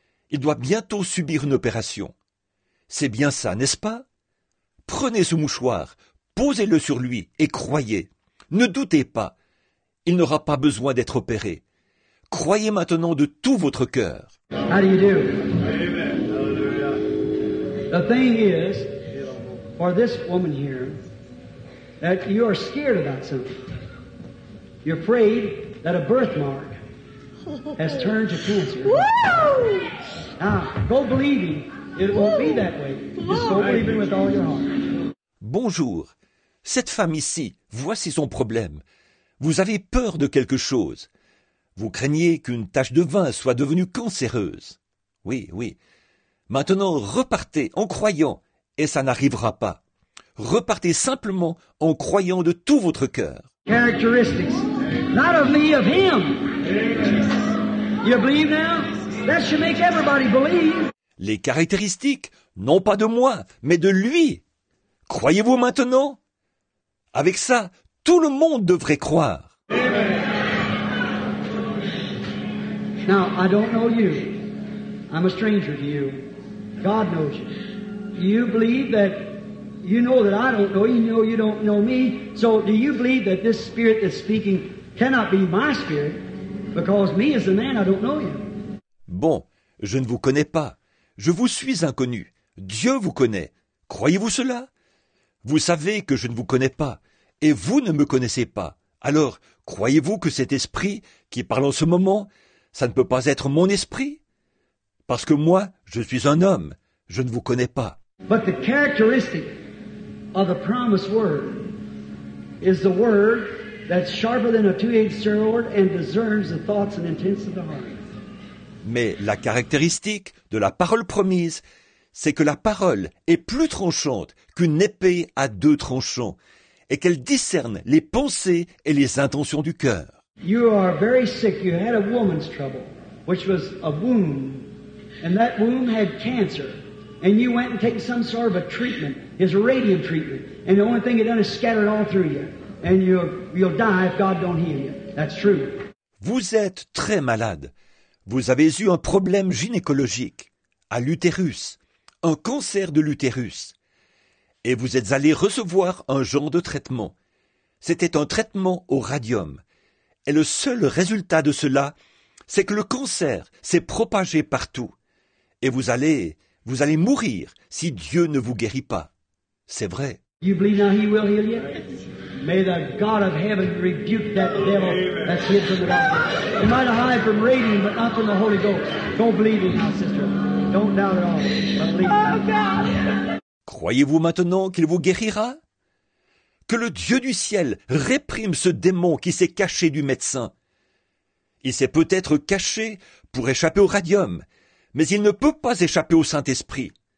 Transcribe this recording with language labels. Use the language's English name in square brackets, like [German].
[French] Il doit bientôt subir une opération. C'est bien ça, n'est-ce pas? Prenez ce mouchoir. Posez-le sur lui et croyez. Ne doutez pas. Il n'aura pas besoin d'être opéré. Croyez maintenant de tout votre cœur. [English] How do you do? Amen. Hallelujah. The thing is, for this woman here, that you are scared about something. You're afraid that a birthmark has turned to cancer. Woo! Now, go believing. It won't be that way. Just go believing with all your heart. [French] Bonjour. Cette femme ici, voici son problème. Vous avez peur de quelque chose. Vous craignez qu'une tache de vin soit devenue cancéreuse. Oui, oui. Maintenant, repartez en croyant, et ça n'arrivera pas. Repartez simplement en croyant de tout votre cœur. [English] Characteristics. Not of me, of him. You believe now? That should make everybody believe. [French] Les caractéristiques, non pas de moi, mais de lui. Croyez-vous maintenant? Avec ça, tout le monde devrait croire. [English] Now, I don't know you. I'm a stranger to you. God knows you. You believe that you know that I don't know you. You know you don't know me. So, do you believe that this spirit that's speaking cannot be my spirit? Because me as a man, I don't know you. [French] Bon, je ne vous connais pas. Je vous suis inconnu. Dieu vous connaît. Croyez-vous cela? Vous savez que je ne vous connais pas, et vous ne me connaissez pas. Alors, croyez-vous que cet esprit qui parle en ce moment, ça ne peut pas être mon esprit? Parce que moi, je suis un homme, je ne vous connais pas. [English] But the characteristic of the promised word is the word that's sharper than a two-edged sword and discerns the thoughts and intents of the heart. [French] Mais la caractéristique de la parole promise, c'est que la parole est plus tranchante qu'une épée à deux tranchants et qu'elle discerne les pensées et les intentions du cœur. [English] You are very sick. You had a woman's trouble, which was a womb, and that womb had cancer. And you went and take some sort of a treatment, his radium treatment, and the only thing it done is scatter it all through you. And you'll die if God don't heal you. That's true. [French] Vous êtes très malade. Vous avez eu un problème gynécologique, à l'utérus, un cancer de l'utérus. Et vous êtes allé recevoir un genre de traitement. C'était un traitement au radium. Et le seul résultat de cela, c'est que le cancer s'est propagé partout. Et vous allez mourir si Dieu ne vous guérit pas. C'est vrai. [English] You believe now he will heal you? May the God of heaven rebuke that devil that's hid from the doctor. It might hide from radium, but not from the Holy Ghost. Don't believe it now, sister. Don't doubt it all. But believe it. Oh, God. [French] Croyez-vous maintenant qu'il vous guérira? Que le Dieu du ciel réprime ce démon qui s'est caché du médecin. Il s'est peut-être caché pour échapper au radium, mais il ne peut pas échapper au Saint-Esprit.